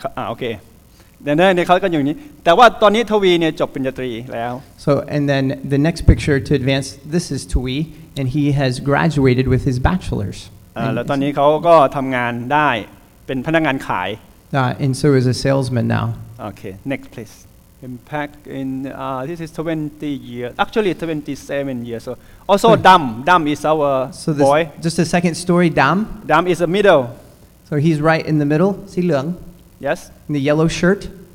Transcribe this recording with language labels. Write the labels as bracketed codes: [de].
[th] โอเคเดี๋ยวนี้เขาก็อย่างนี้แต่ว่าตอนนี้ทวีเนี่ยจบปริญญาตรีแล้ว [en] so and then the next picture to advance this is Tui and he has graduated with his bachelor's [th] แล้วตอนนี้เขาก็ทำงานได้เป็นพนักงานขาย [en] and so is a salesman now Okay, next please. Impact in, this is 20 years, actually 27 years. So also Dam is our so this, boy. Just a second story, Dam. Dam is the middle. So he's right in the middle, Si Leung. Yes. In the yellow shirt.